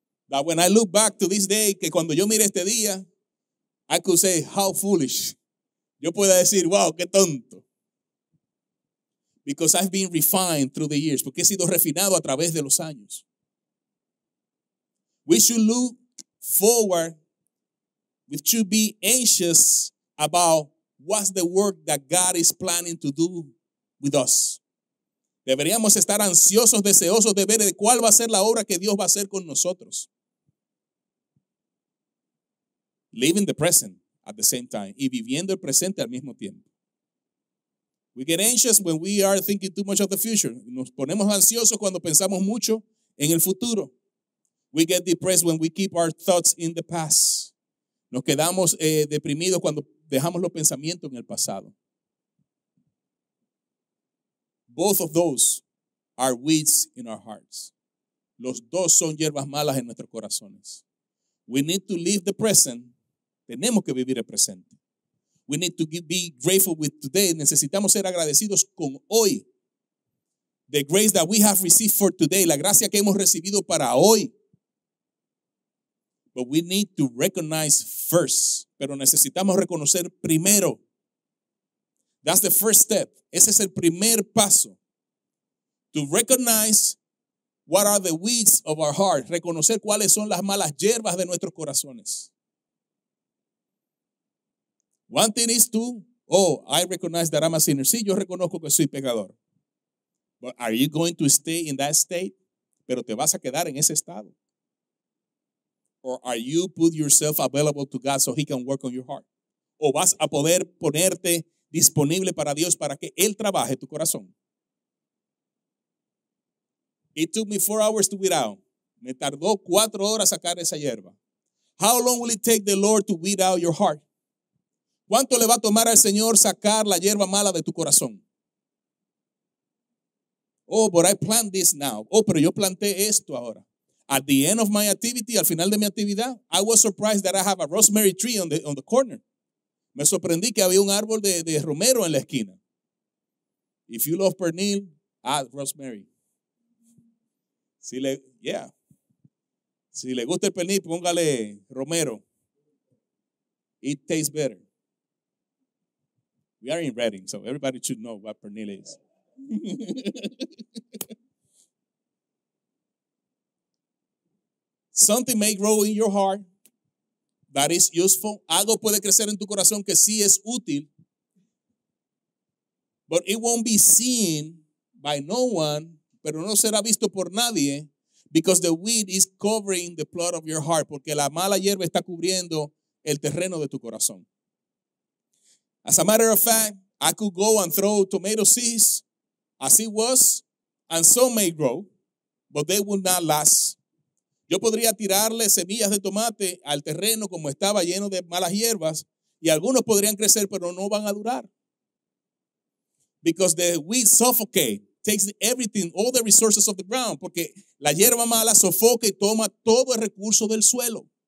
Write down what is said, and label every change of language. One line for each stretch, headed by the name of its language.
English: that when I look back to this day,
Spanish: que cuando yo mire este día,
English: I could say, how foolish.
Spanish: Yo pueda decir, wow, qué tonto.
English: Because I've been refined through the years.
Spanish: Porque he sido refinado a través de los años.
English: We should look forward. We should be anxious about what's the work that God is planning to do with us.
Spanish: Deberíamos estar ansiosos, deseosos de ver de cuál va a ser la obra que Dios va a hacer con nosotros.
English: Living the present at the same time.
Spanish: Y viviendo el presente al mismo tiempo.
English: We get anxious when we are thinking too much of the future.
Spanish: Nos ponemos ansiosos cuando pensamos mucho en el futuro.
English: We get depressed when we keep our thoughts in the past.
Spanish: Nos quedamos deprimidos cuando dejamos los pensamientos en el pasado.
English: Both of those are weeds in our hearts.
Spanish: Los dos son hierbas malas en nuestros corazones.
English: We need to live the present.
Spanish: Tenemos que vivir el presente.
English: We need to be grateful with today.
Spanish: Necesitamos ser agradecidos con hoy.
English: The grace that we have received for today.
Spanish: La gracia que hemos recibido para hoy.
English: But we need to recognize first.
Spanish: Pero necesitamos reconocer primero.
English: That's the first step.
Spanish: Ese es el primer paso.
English: To recognize what are the weeds of our heart.
Spanish: Reconocer cuáles son las malas hierbas de nuestros corazones.
English: One thing is to, oh, I recognize that I'm a sinner.
Spanish: Sí, yo reconozco que soy pecador.
English: But are you going to stay in that state?
Spanish: Pero te vas a quedar en ese estado.
English: Or are you put yourself available to God so he can work on your heart?
Spanish: O vas a poder ponerte disponible para Dios para que él trabaje tu corazón.
English: It took me 4 hours to weed out.
Spanish: Me tardó 4 horas sacar esa hierba.
English: How long will it take the Lord to weed out your heart?
Spanish: ¿Cuánto le va a tomar al Señor sacar la hierba mala de tu corazón?
English: Oh, but I plant this now.
Spanish: Oh, pero yo planté esto ahora.
English: At the end of my activity,
Spanish: al final de mi actividad,
English: I was surprised that I have a rosemary tree on the corner.
Spanish: Me sorprendí que había un árbol de romero en la esquina.
English: If you love pernil, add rosemary.
Spanish: Si le gusta el pernil, póngale romero.
English: It tastes better. We are in Reading, so everybody should know what pernil is. Something may grow in your heart that is useful.
Spanish: Algo puede crecer en tu corazón que sí es útil.
English: But it won't be seen by no one,
Spanish: pero no será visto por nadie,
English: because the weed is covering the plot of your heart,
Spanish: porque la mala hierba está cubriendo el terreno de tu corazón.
English: As a matter of fact, I could go and throw tomato seeds as it was, and some may grow, but they will not last.
Spanish: Yo podría tirarle semillas de tomate al terreno como estaba lleno de malas hierbas, y algunos podrían crecer, pero no van a durar.
English: Because the weed suffocate, takes everything, all the resources of the ground,
Spanish: porque la hierba mala sofoca y toma todo el recurso del suelo.